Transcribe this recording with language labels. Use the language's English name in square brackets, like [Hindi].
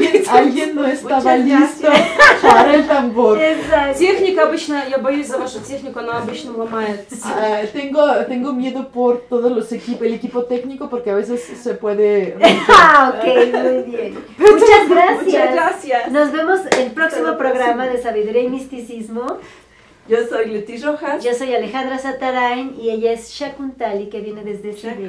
[Spanish] Alguien no estaba listo para el tambor. [Russian] Técnica, обычно, я боюсь за вашу технику, она обычно ломается. [Spanish] Tengo miedo por todos los equipos, el equipo técnico, porque a veces se puede... ok, muy bien. Muchas gracias. Muchas gracias. Nos vemos en el próximo programa de Sabiduría y Misticismo. Yo soy Leti Rojas. Yo soy Alejandra Satarain y ella es Shakuntali, que viene desde Siberia.